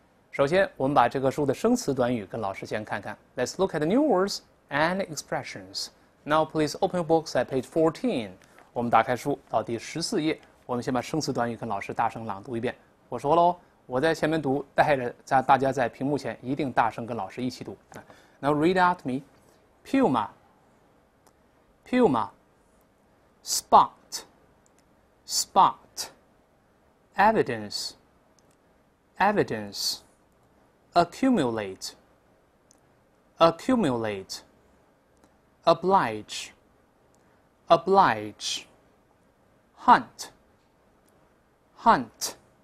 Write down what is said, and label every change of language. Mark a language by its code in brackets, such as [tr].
[zh] 首先，我们把这个书的生词短语跟老师先看看。 [en] Let's look at the new words and expressions. Now, please open your books at page 14. [zh] 我们打开书到第14页，我们先把生词短语跟老师大声朗读一遍。我说喽。我在前面读，带着在大家在屏幕前一定大声跟老师一起读。 [en] Now read out me, Puma, Puma, spot, spot, evidence, evidence, accumulate, accumulate, oblige, oblige, hunt, hunt.